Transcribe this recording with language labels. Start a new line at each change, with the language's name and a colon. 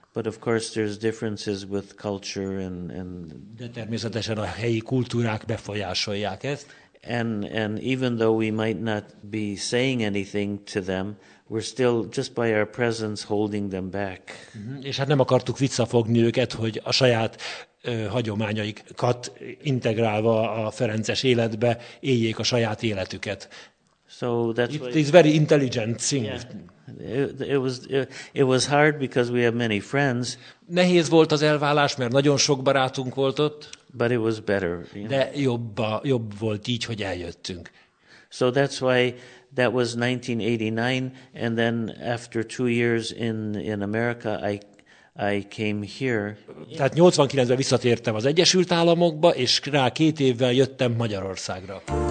English: But of course there's differences with culture and
Hungarian: de természetesen a helyi kultúrák befolyásolják ezt.
English: And even though we might not be saying anything to them, we're still just by our presence holding them back.
Hungarian: És hát nem akartuk visszafogni őket, hogy a saját hagyományaikat integrálva a ferences életbe éljék a saját életüket.
English: So that's it is very intelligent thing. Yeah. It was hard because we have many friends.
Hungarian: Nehéz volt az elválás, mert nagyon sok barátunk volt ott.
English: But it was better.
Hungarian: De jobb volt így, hogy eljöttünk.
English: So that's why that was 1989, and then after 2 years in America, I came here.
Hungarian: Tehát 89-ben visszatértem az Egyesült Államokba, és rá 2 évvel jöttem Magyarországra.